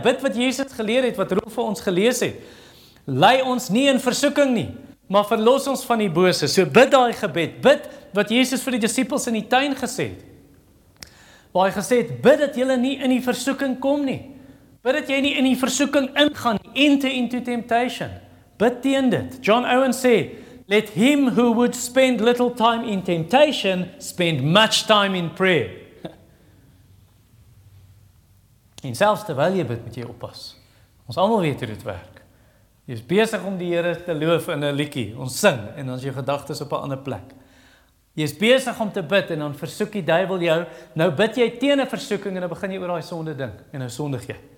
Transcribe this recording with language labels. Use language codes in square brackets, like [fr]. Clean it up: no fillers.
[af] Bid wat Jesus geleer het, wat Roep vir ons gelees het. Lei ons nie in versoeking nie, maar verlos ons van die bose. So bid daai gebed. Bid wat Jesus vir die disippels in die tuin gesê het. Waar hy gesê het, bid dat julle nie in die versoeking kom nie. Bid dat jy nie in die versoeking ingaan, [en] enter into temptation. [af] Bid teen dit. [en] John Owen sê, let him who would spend little time in temptation, spend much time in prayer. [af] En selfs terwyl jy bid, moet jy oppas. Ons almal weet hoe dit werk. Jy is besig om die Here te loof in 'n liedjie. Ons sing en ons jou gedagtes op 'n ander plek. Jy is besig om te bid en dan versoek die duivel jou. Nou bid jy teen 'n versoeking en dan begin jy oor daai sonde dink. En nou sondig jy.